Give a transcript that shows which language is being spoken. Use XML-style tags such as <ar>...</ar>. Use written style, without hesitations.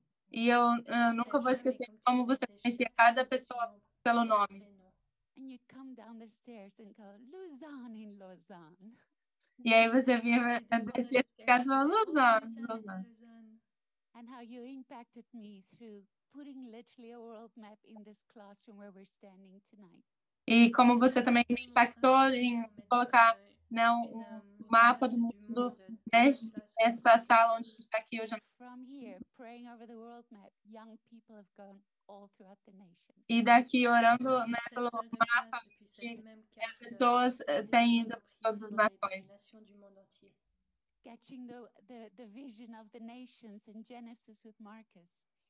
<pt>E eu nunca vou esquecer como você conhecia cada pessoa pelo nome. E aí você vinha descer e ficar falando, Lausanne,</pt> <en>And how you impacted me through putting literally a world map in this classroom where we're standing tonight.</en> <pt>E como você também me impactou em colocar, né, um mapa do mundo nessa sala onde está aqui hoje.</pt> <en>From here, praying over the world map, young people have gone all throughout the nation.</en> <pt>E daqui orando, né, pelo mapa, que as pessoas têm ido para todas as nações.</pt> <en>Catching the vision of the nations in Genesis with Marcus.</en>